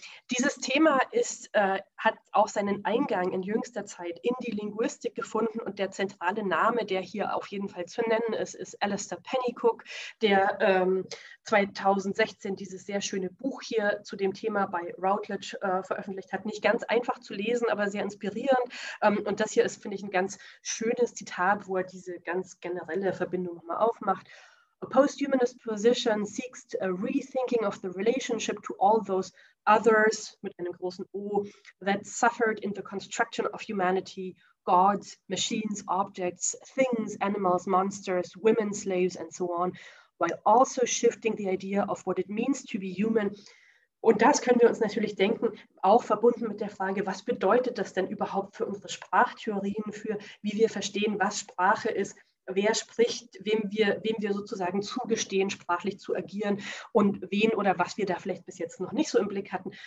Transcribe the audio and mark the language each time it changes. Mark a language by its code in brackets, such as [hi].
[de] Dieses Thema hat auch seinen Eingang in jüngster Zeit in die Linguistik gefunden und der zentrale Name, der hier auf jeden Fall zu nennen ist, ist Alistair Pennycook, der 2016 dieses sehr schöne Buch hier zu dem Thema bei Routledge veröffentlicht hat. Nicht ganz einfach zu lesen, aber sehr inspirierend. Und das hier ist, finde ich, ein ganz schönes Zitat, wo er diese ganz generelle Verbindung nochmal aufmacht. [en] A posthumanist position seeks a rethinking of the relationship to all those others, [de] mit einem großen O, [en] that suffered in the construction of humanity, gods, machines, objects, things, animals, monsters, women, slaves, and so on, while also shifting the idea of what it means to be human. [de] Und das können wir uns natürlich denken, auch verbunden mit der Frage, was bedeutet das denn überhaupt für unsere Sprachtheorien, für wie wir verstehen, was Sprache ist, wer spricht, wem wir sozusagen zugestehen, sprachlich zu agieren und wen oder was wir da vielleicht bis jetzt noch nicht so im Blick hatten.